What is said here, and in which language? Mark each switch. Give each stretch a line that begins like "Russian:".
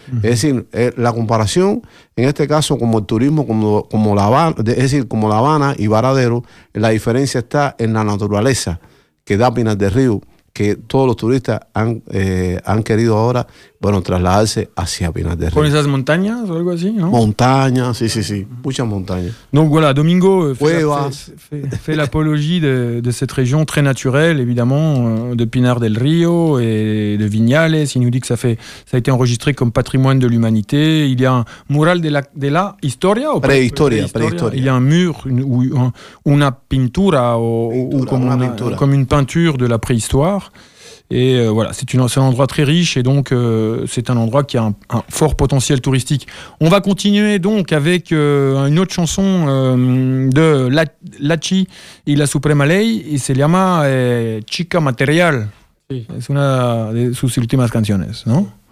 Spanish: Uh-huh. Es decir, la comparación, en este caso, como el turismo, como La Habana, es decir, como La Habana y Varadero, la diferencia está en la naturaleza que da Pinar del Río, que todos los turistas han querido ahora, bueno, trasladarse hacia Pinar del Río. ¿Con esas montañas o algo así, no? Montañas, sí, sí, sí, uh-huh. Muchas montañas.
French: Donc voilà, Domingo fait l'apologie de cette région très naturelle, évidemment, de Pinar del Río et de Viñales. Il nous dit que ça a été enregistré comme patrimoine de l'humanité. Il y a un
Spanish: mural de la historia
French: ou préhistoire, préhistoire. Il y a un mur une peinture de la préhistoire. Et voilà, c'est un endroit très riche et donc c'est un endroit qui a un fort potentiel touristique. On va continuer donc avec une autre chanson de Lachi y la Suprema Ley,
Spanish: y se llama Chica Material. Sí. Es una de sus últimas canciones, ¿no?